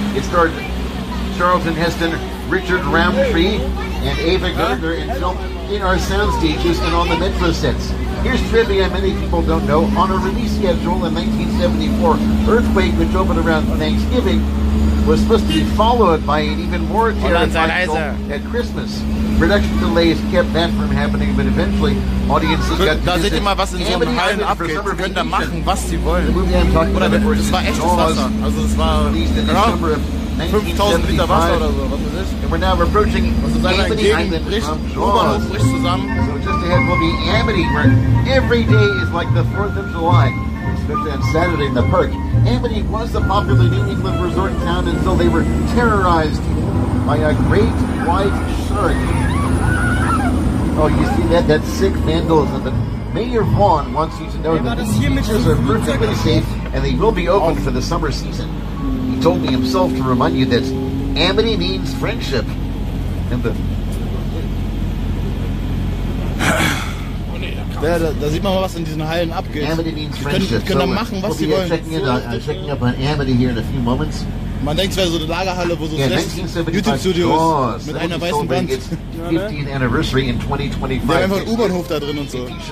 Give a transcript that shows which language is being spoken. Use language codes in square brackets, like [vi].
[en] It starred Charlton Heston, Richard Roundtree, and Ava Gardner in film in our sound stages and on the Metro sets. Here's trivia many people don't know. On a release schedule in 1974, Earthquake, which opened around Thanksgiving, was supposed to be followed by an even more terrifying film at Christmas. Production delays kept that from happening, but eventually audiences got to visit. [de] Da seht ihr mal, was in so einem Hallen abgeht. Sie können da machen, was sie wollen. Oder das war echtes Wasser. Also es war, genau, 5000 Liter Wasser oder so. Was ist das? [en] And we're now approaching also Amity Island from [de] Jaws. Zusammen. [en] So just ahead will be Amity, where every day is like the 4th of July. Especially on Saturday in the park. Amity was a popular New England resort town until they were terrorized by a great white shark. Oh, you see that? That's sick vandalism. The Mayor Vaughn wants you to know that the beaches are perfectly safe and they will be open for the summer season. He told me himself to remind you that Amity means friendship. And the... [de] Da sieht man mal, was in diesen Hallen abgeht. Die können da machen, was sie wollen. Man denkt, es wäre so eine Lagerhalle, wo so ein YouTube-Studio ist, mit einer weißen Wand. Wir haben einfach einen U-Bahnhof da drin und so.